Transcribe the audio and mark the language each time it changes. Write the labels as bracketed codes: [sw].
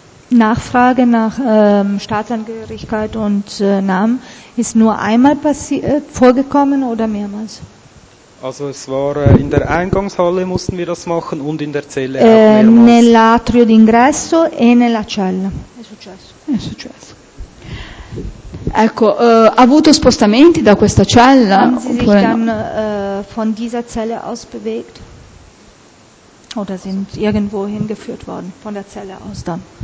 [de] Nachfrage nach Staatsangehörigkeit und Namen ist nur einmal vorgekommen oder mehrmals? Also es war in der Eingangshalle mussten wir das machen und in der Zelle auch mehrmals. [it] Nell'atrio d'ingresso e nella cella. È successo. Ecco, ha avuto spostamenti da questa cella? [de] Haben Sie sich dann von dieser Zelle aus bewegt? Oder sind irgendwo hingeführt worden von der Zelle aus dann?